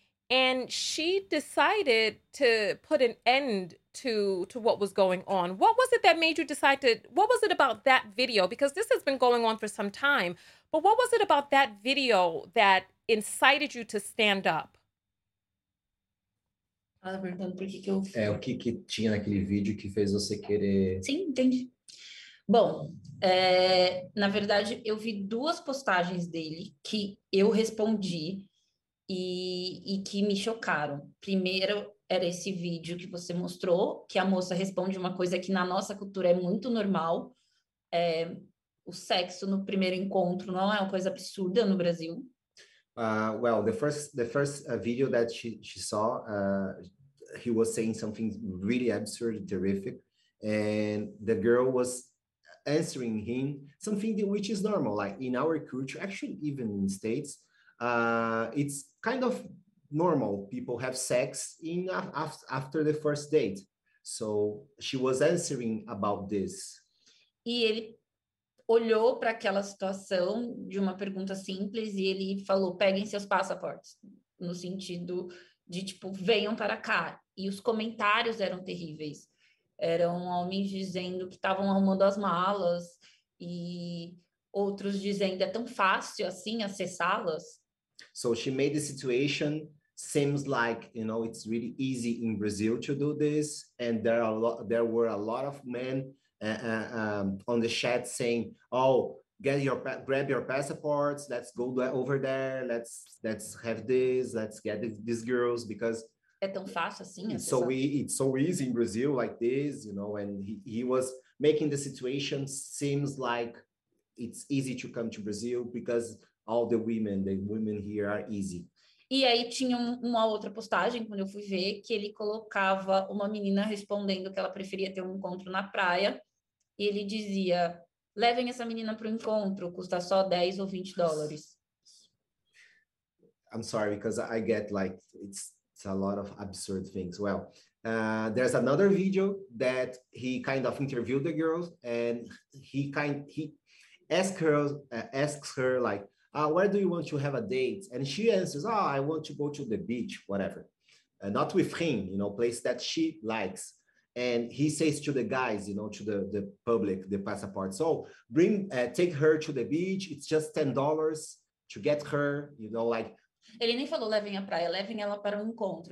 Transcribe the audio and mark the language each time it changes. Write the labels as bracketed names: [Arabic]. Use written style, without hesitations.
[English] And she decided to put an end to what was going on. What was it that made you decide to, what was it about that video? Because this has been going on for some time, but what was it about that video that incited you to stand up? [Portuguese] Ela perguntando por que que eu... É, o que que tinha naquele vídeo que fez você querer... Sim, entendi. Bom, na verdade, eu vi duas postagens dele que eu respondi e que me chocaram. Primeiro era esse vídeo que você mostrou, que a moça responde uma coisa que na nossa cultura é muito normal. O sexo no primeiro encontro não é uma coisa absurda no Brasil. [English] Well, the first video that she saw, he was saying something really absurd, terrific, and the girl was answering him something which is normal, like in our culture, actually even in States, it's kind of normal. People have sex after the first date. So she was answering about this. [Portuguese] E ele olhou para aquela situação de uma pergunta simples e ele falou, peguem seus passaportes, no sentido de, tipo, venham para cá. E os comentários eram terríveis. Eram homens dizendo que estavam arrumando as malas e outros dizendo, é tão fácil assim acessá-las. [English] So she made the situation seems like, you know, it's really easy in Brazil to do this. And there were a lot of men on the chat saying, oh, grab your passports, let's go over there, let's have this, let's get these girls, because [Portuguese] é tão fácil assim, [English] it's so easy in Brazil like this, you know, and he was making the situation seems like it's easy to come to Brazil because all the women here are easy. [Portuguese] E aí tinha uma outra postagem, quando eu fui ver, que ele colocava uma menina respondendo que ela preferia ter um encontro na praia. E ele dizia, levem essa menina para o encontro, custa só 10 ou 20 dólares. [English] I'm sorry, because I get like, it's a lot of absurd things. Well, there's another video that he kind of interviewed the girls, and he asks her like, where do you want to have a date? And she answers, oh, I want to go to the beach, whatever. Not with him, you know, place that she likes. And he says to the guys, you know, to the public, the passport, so bring, take her to the beach. It's just $10 to get her, you know, like. [Portuguese] Ele nem falou levem a praia, levem ela para encontro.